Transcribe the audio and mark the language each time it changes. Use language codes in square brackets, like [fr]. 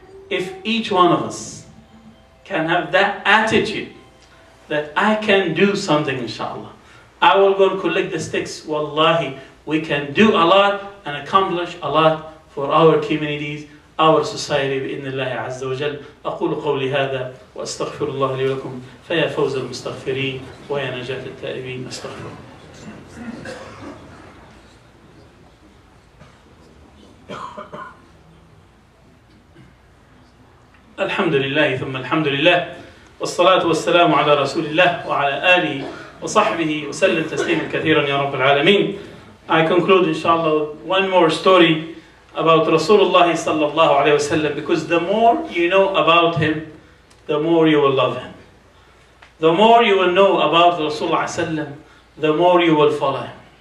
[en] If each one of us can have that attitude that I can do something inshallah, I will go and collect the sticks, wallahi, we can do a lot and accomplish a lot for our communities, our society, [ar] بإذن الله عز وجل. أقول قولي هذا وأستغفر الله لي ولكم فيا فوز المستغفرين ويا نجاة التائبين أستغفر الله. الحمد لله ثم الحمد لله والصلاة والسلام على رسول الله وعلى آله وصحبه وسلم تسليما كثيرا يا رب العالمين. [en] I conclude inshallah one more story about Rasulullah sallallahu alayhi wasallam, because the more you know about him, the more you will love him. The more you will know about Rasulullah sallam, the more you will follow him.